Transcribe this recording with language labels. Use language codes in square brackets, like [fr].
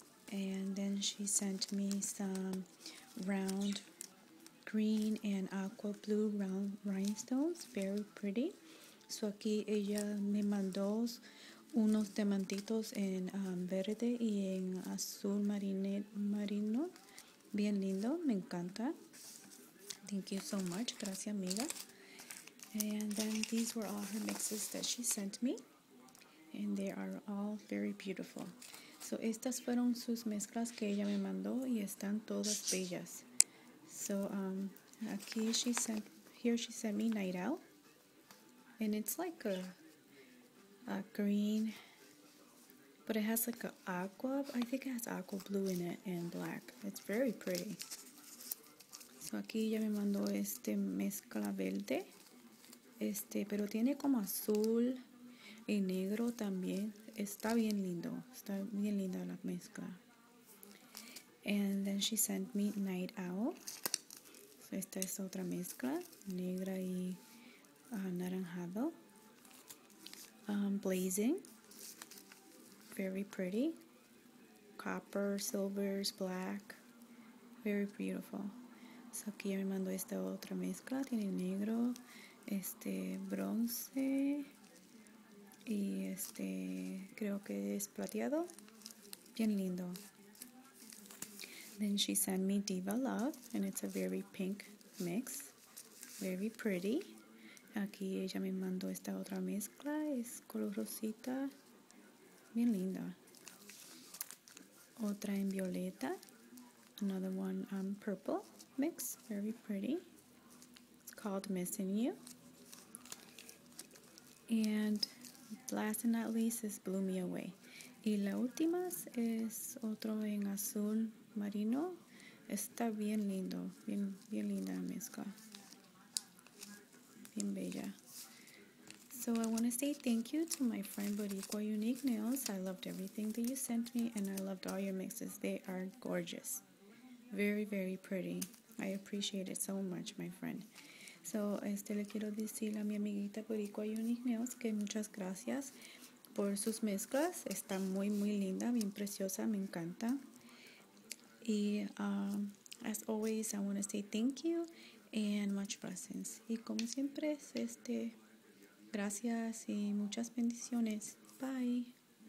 [en] And then she sent me some round green and aqua blue round rhinestones, very pretty. [es] So aquí ella me mandó unos diamantitos en verde y en azul marino, bien lindo, me encanta. Thank you so much, gracias amiga. [en] And then these were all her mixes that she sent me, and they are all very beautiful. [es] So estas fueron sus mezclas que ella me mandó y están todas bellas. [en] So here she sent me Night Owl, and it's like a green, but it has like aqua blue in it and black. It's very pretty. [es] So aquí ya me mandó mezcla verde, pero tiene como azul y negro también. Está bien lindo, está bien linda la mezcla. [en] And then she sent me Night Owl. [es] Esta es otra mezcla, negra y anaranjado. [en] Blazing, very pretty. Copper, silvers, black, very beautiful. [es] So aquí me mandó esta otra mezcla, tiene negro, bronce y creo que es plateado. Bien lindo. [en] Then she sent me Diva Love, and it's a very pink mix, very pretty. [es] Aquí ella me mandó esta otra mezcla, es color rosita, bien linda. Otra en violeta, [en] another one purple mix, very pretty. It's called Missing You. And last and not least is Blew Me Away. [es] Y la última es otro en azul marino. Está bien lindo, bien, bien linda la mezcla. Bien bella. [en] So I want to say thank you to my friend Boricuauniquenails. I loved everything that you sent me, and I loved all your mixes. They are gorgeous. Very, very pretty. I appreciate it so much, my friend. [es] So le quiero decir a mi amiguita Boricuauniquenails que muchas gracias por sus mezclas. Está muy, muy linda, bien preciosa, me encanta. [en] Y as always, I want to say thank you and much blessings. [es] Y como siempre, gracias y muchas bendiciones. Bye.